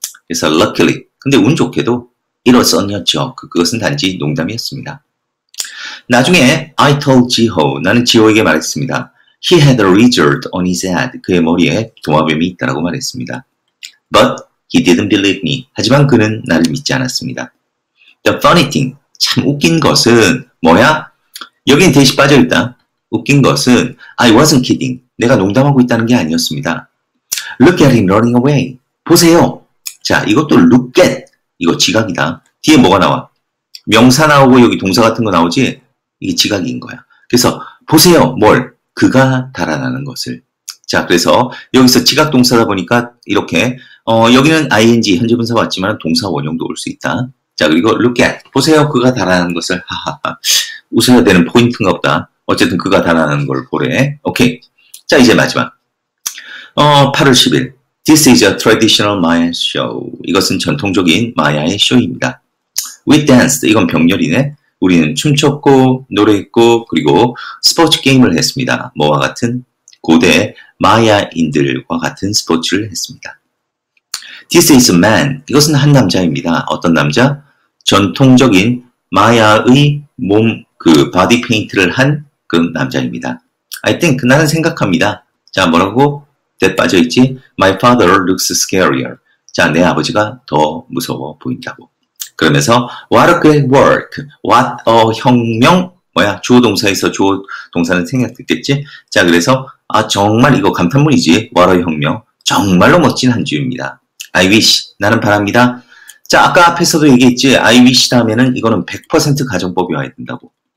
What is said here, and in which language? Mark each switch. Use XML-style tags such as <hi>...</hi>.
<ko>그래서</ko> <en>luckily,</en> <ko>근데 운 좋게도</ko> <en>it was only a joke.</en> <ko>그것은 단지 농담이었습니다. 나중에</ko> <en>I told Jiho,</en> <ko>나는 지호에게 말했습니다.</ko> <en>He had a lizard on his head.</en> <ko>그의 머리에 도마뱀이 있다고 말했습니다.</ko> <en>But he didn't believe me.</en> <ko>하지만 그는 나를 믿지 않았습니다.</ko> <en>The funny thing,</en> <ko>참 웃긴 것은 뭐야? 여긴 대시 빠져있다. 웃긴 것은</ko> <en>I wasn't kidding.</en> <ko>내가 농담하고 있다는 게 아니었습니다.</ko> <en>Look at him running away.</en> <ko>보세요. 자, 이것도 look at. 이거 지각이다. 뒤에 뭐가 나와? 명사 나오고 여기 동사 같은 거 나오지? 이게 지각인 거야. 그래서 보세요. 뭘? 그가 달아나는 것을. 자, 그래서 여기서 지각 동사다 보니까 이렇게 여기는 ing, 현재분사 왔지만 동사 원형도 올 수 있다. 자, 그리고 look at. 보세요. 그가 달아나는 것을. 하하하. 웃어야 되는 포인트인가 보다. 어쨌든 그가 달아나는 걸 보래. 오케이. 자, 이제 마지막. 8월 10일.</ko> <en>This is a traditional Maya show.</en> <ko>이것은 전통적인 마야의 쇼입니다.</ko> <en>We danced.</en> <ko>이건 병렬이네. 우리는 춤췄고 노래했고 그리고 스포츠 게임을 했습니다. 뭐와 같은? 고대 마야인들과 같은 스포츠를 했습니다.</ko> <en>This is a man.</en> <ko>이것은 한 남자입니다. 어떤 남자? 전통적인 마야의 몸, 그 바디 페인트를 한 그 남자입니다.</ko> <en>I think.</en> <ko>나는 생각합니다. 자, 뭐라고? 때 빠져있지?</ko> <en>My father looks scarier.</en> <ko>자, 내 아버지가 더 무서워 보인다고. 그러면서</ko> <en>What a great work.</en> <ko>What a 혁명. 뭐야? 주어동사에서 주어동사는 생략됐겠지? 자, 그래서 아, 정말 이거 감탄문이지. What a 혁명. 정말로 멋진 한 주입니다.</ko> <en>I wish.</en> <ko>나는 바랍니다. 자, 아까 앞에서도 얘기했지. I wish 다음에는 이거는 100% 가정법이 와야 된다고.</ko>